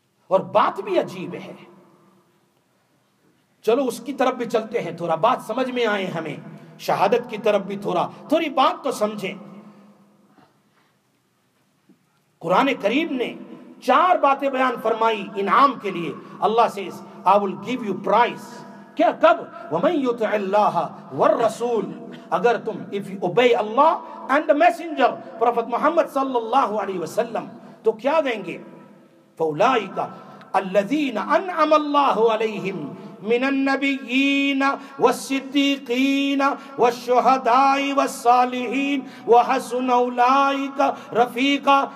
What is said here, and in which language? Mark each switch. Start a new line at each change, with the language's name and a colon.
Urdu: اور بات بھی عجیب ہے، چلو اس کی طرف بھی چلتے ہیں، تھوڑا بات سمجھ میں آئے ہمیں، شہادت کی طرف بھی تھوڑی بات تو سمجھیں. قرآن کریم نے 4 باتیں بیان فرمائی انعام کے لیے. اللہ سے
English: I will give you prize.
Urdu: کیا؟ کب؟
Arabic: وَمَنْ يُطِعِ اللَّهَ وَالرَّسُولَ،
Urdu: اگر تم
English: if you obey Allah and the messenger Prophet
Arabic: محمد صلی اللہ علیہ وسلم
Urdu: تو کیا دیں گے؟
Arabic: فَأُولَئِكَ الَّذِينَ أَنْعَمَ اللَّهُ عَلَيْهِمْ من النبيين والصديقين والشهداء والصالحين وحسن اولئك رفيقا.